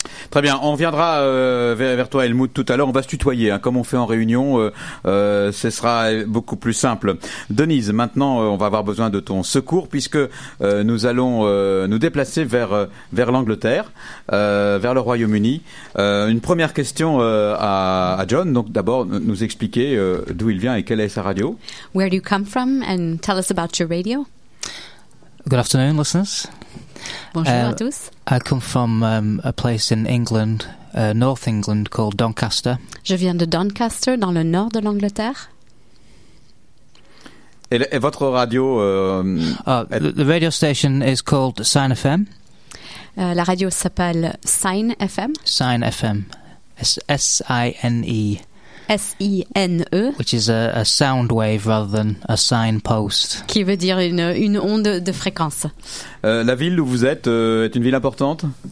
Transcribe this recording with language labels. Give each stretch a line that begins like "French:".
French: Très bien, on viendra vers toi Helmut tout à l'heure, on va se tutoyer, hein. Comme on fait en réunion, ce sera beaucoup plus simple. Denise, maintenant on va avoir besoin de ton secours, puisque nous allons nous déplacer vers l'Angleterre, vers le Royaume-Uni. Une première question à John, donc d'abord nous expliquer d'où il vient et quelle est sa radio.
English: Where do you come from and tell us about your radio? Good afternoon, listeners.
French: Bonjour à tous.
English: I come from a place in England, North England, called Doncaster.
French: Je viens de Doncaster, dans le nord de l'Angleterre. Et votre radio...
English: The radio station is called Sine FM.
French: La radio s'appelle Sine FM.
English: Sine FM. S-I-N-E. S-I-N-E. Which is a sound wave rather than a signpost.
French: Qui veut dire une onde de fréquence. La ville où vous êtes est une ville importante.